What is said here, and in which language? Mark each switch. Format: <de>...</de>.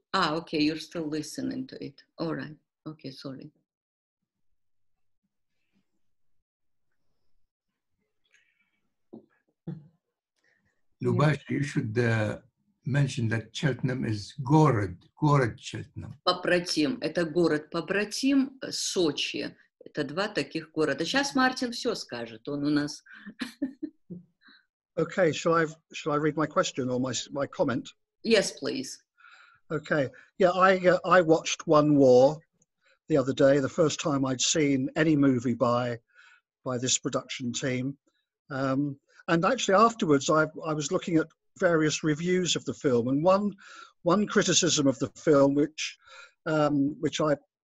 <en>Ah, okay, you're still listening to it. All right. Okay, sorry. Lubash, you should mention that Cheltenham is</en> <ru>город, город</ru> <en>Cheltenham.</en> <ru>Побратим, это город побратим, Сочи. Это два таких города. Сейчас Мартин все скажет, он у нас.</ru> <en>Okay, shall I read my question or my comment? Yes, please. Okay, yeah, I watched One War the other day, the first time I'd seen any movie by this production team. And actually afterwards I was looking at various reviews of the film, and one criticism of the film which I</en>